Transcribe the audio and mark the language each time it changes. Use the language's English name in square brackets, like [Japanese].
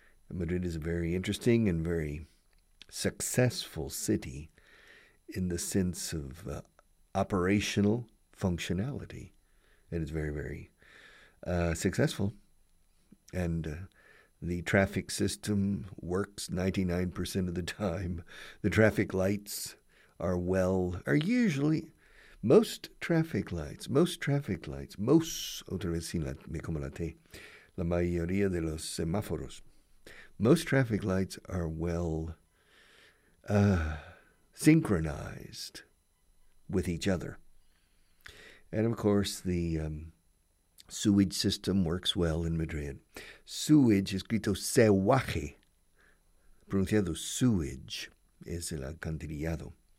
[English] Madrid is a very interesting and very successful city in the sense of operational functionality. And it's very, very successful. And the traffic system works 99% of the time. The traffic lights are usually... Most traffic lights, most, [Spanish] otra vez sin la, me como la T, la mayoría de los semáforos. [English] Most traffic lights are well synchronized with each other. And of course, the sewage system works well in Madrid. [Spanish] Sewage, escrito sewaje, pronunciado sewage, es el alcantarillado.